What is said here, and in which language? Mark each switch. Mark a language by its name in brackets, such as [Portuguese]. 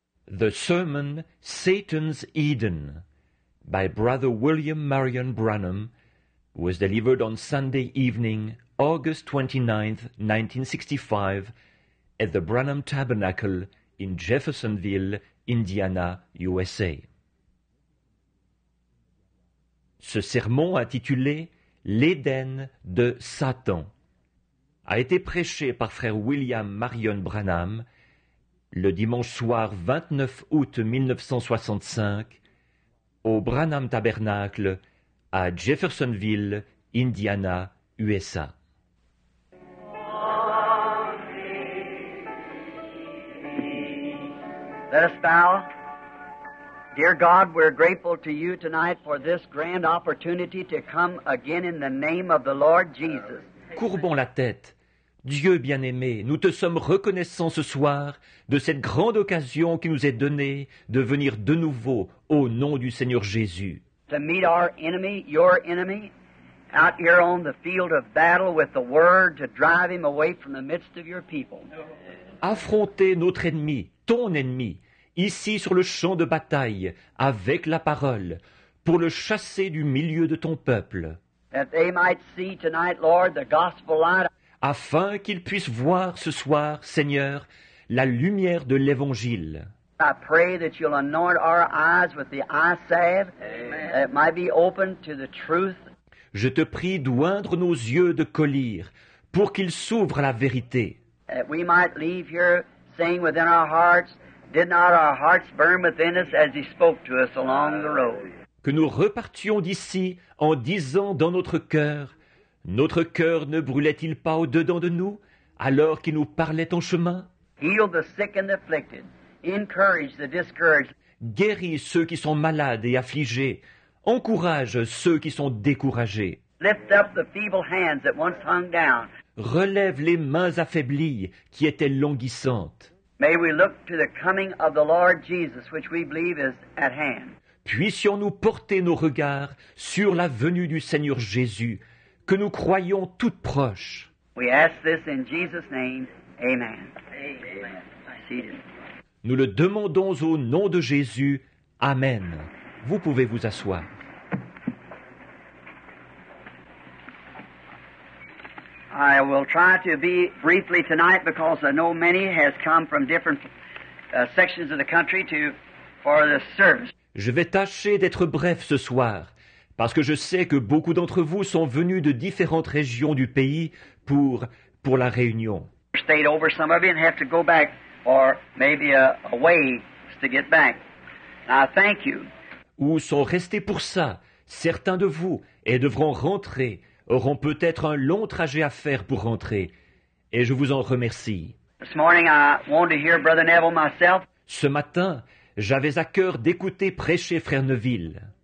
[English] The Sermon, Satan's Eden, by Brother William Marion Branham, was delivered on Sunday evening, August 29, 1965, at the Branham Tabernacle in Jeffersonville, Indiana, USA. [French] Ce sermon intitulé « L'Éden de Satan » a été prêché par Frère William Marion Branham le dimanche soir 29 août 1965 au Branham Tabernacle à Jeffersonville, Indiana, USA. [English] Let us bow. Dear God, we're grateful to you tonight for this grand opportunity to come again in the name of the Lord Jesus. [French] Courbons la tête. Dieu bien-aimé, nous te sommes reconnaissants ce soir de cette grande occasion qui nous est donnée de venir de nouveau au nom du Seigneur Jésus. [English] To meet our enemy, your enemy, out here on the field of battle with the word to drive him away from the midst of your people. [French] Affronter notre ennemi, ton ennemi, ici sur le champ de bataille, avec la parole, pour le chasser du milieu de ton peuple. [English] That they might see tonight, Lord, the gospel light. [French] Afin qu'ils puissent voir ce soir, Seigneur, la lumière de l'Évangile. [English] I pray that you'll anoint our eyes with the eye salve, that it might be open to the truth. [French] Je te prie d'oindre nos yeux de colire, pour qu'ils s'ouvrent à la vérité. [English] That we might leave here saying within our hearts, did not our hearts burn within us as he spoke to us along the road. [French] Que nous repartions d'ici en disant dans notre cœur, notre cœur ne brûlait-il pas au-dedans de nous, alors qu'il nous parlait en chemin? [English] Heal the sick and afflicted. Encourage the discouraged. [French] Guéris ceux qui sont malades et affligés. Encourage ceux qui sont découragés. [English] Lift up the feeble hands that once hung down. [French] Relève les mains affaiblies qui étaient languissantes. [English] May we look to the coming of the Lord Jesus, which we believe is at hand. [French] Puissions-nous porter nos regards sur la venue du Seigneur Jésus, que nous croyons toute proche. [English] We ask this in Jesus' name. Amen. Amen. [French] Nous le demandons au nom de Jésus. Amen. Vous pouvez vous asseoir. [English] I will try to be briefly tonight because I know many has come from different sections of the country to for the service. [French] Je vais tâcher d'être bref ce soir parce que je sais que beaucoup d'entre vous sont venus de différentes régions du pays pour la réunion. [English] Stayed over some of you and have to go back or maybe a way to get back. I thank you. [French] Ou sont restés pour ça certains de vous et devront rentrer. Auront peut-être un long trajet à faire pour rentrer, et je vous en remercie. [English] This morning, I wanted to hear Brother Neville myself. [French] Ce matin, j'avais à cœur d'écouter prêcher Frère Neville.